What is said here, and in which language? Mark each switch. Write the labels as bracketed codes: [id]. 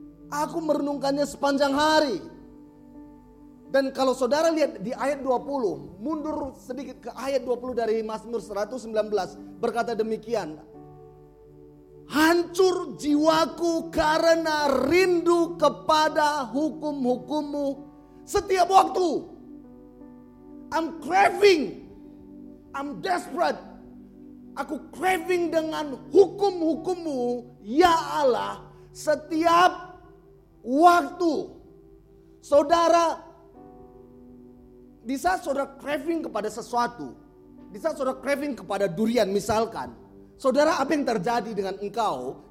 [id] Aku merenungkannya sepanjang hari. Dan kalau saudara lihat di ayat 20, mundur sedikit ke ayat 20 dari Mazmur 119 berkata demikian. Hancur jiwaku karena rindu kepada hukum-hukum-Mu setiap waktu. [en] I'm craving, I'm desperate. [id] Aku craving dengan hukum-hukum-Mu, ya Allah, setiap waktu. Saudara, di saat saudara craving kepada sesuatu, di saat saudara craving kepada durian misalkan, saudara, apa yang terjadi dengan engkau?